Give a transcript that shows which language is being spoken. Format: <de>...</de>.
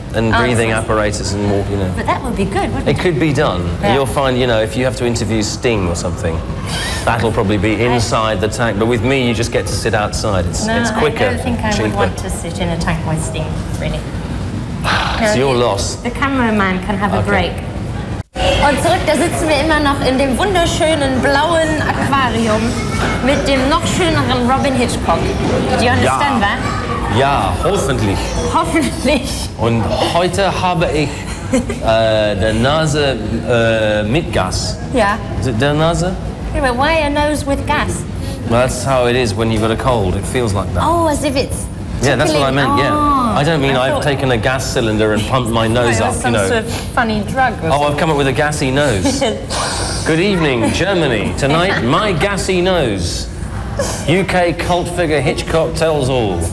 <en>And breathing apparatus and more, you know. But that would be good, wouldn't it? It could be done. Yeah. You'll find, you know, if you have to interview Sting or something, that'll probably be inside the tank. But with me, you just get to sit outside. It's quicker. I don't think I would want to sit in a tank with Sting, really. It's your loss. The cameraman can have a break.</en> <de>Und zurück, da sitzen wir immer noch in dem wunderschönen blauen Aquarium mit dem noch schöneren Robyn Hitchcock.</de> <en>Do you understand that?</en> <de>Ja, hoffentlich. Hoffentlich. Und heute habe ich der Nase mit Gas. Ja. Yeah. Der Nase?</de> <en>Yeah, but why a nose with gas? Well, that's how it is when you've got a cold. It feels like that. Oh, as if it's tickling. Yeah, that's what I meant, yeah. I don't mean I've taken a gas cylinder and pumped my nose up, you know. Some sort of funny drug or something. I've come up with a gassy nose. Good evening, Germany. Tonight, my gassy nose. UK cult figure Hitchcock tells all.</en>